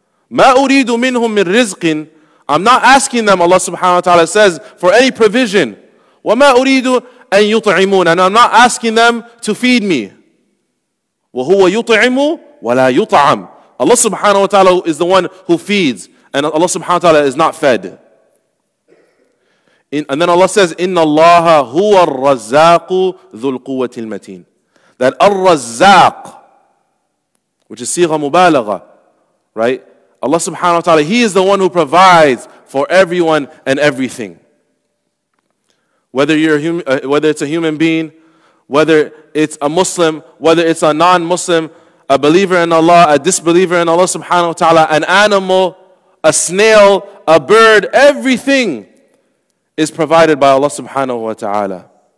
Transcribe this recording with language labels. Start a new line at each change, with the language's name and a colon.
Arabic: مَا أُرِيدُ مِنْهُمْ مِنْ رِزْقٍ
English: I'm not asking them, Allah subhanahu wa ta'ala says, for any provision.
Arabic: وَمَا أُرِيدُ أَنْ يُطْعِمُونَ
English: And I'm not asking them to feed me.
Arabic: وَهُوَ يُطْعِمُ وَلَا يُطْعَمُ
English: Allah subhanahu wa ta'ala is the one who feeds, and Allah subhanahu wa ta'ala is not fed. And then Allah says,
Arabic: إِنَّ اللَّهَ هُوَ الرَّزَّاقُ ذُو الْقُوَّةِ الْمَتِينَ
English: That الرزاق, which is
Arabic: صيغة مبالغة,
English: right? Allah subhanahu wa ta'ala, He is the one who provides for everyone and everything. Whether it's a human being, whether it's a Muslim, whether it's a non-Muslim, a believer in Allah, a disbeliever in Allah subhanahu wa ta'ala, an animal, a snail, a bird, everything is provided by Allah subhanahu wa ta'ala.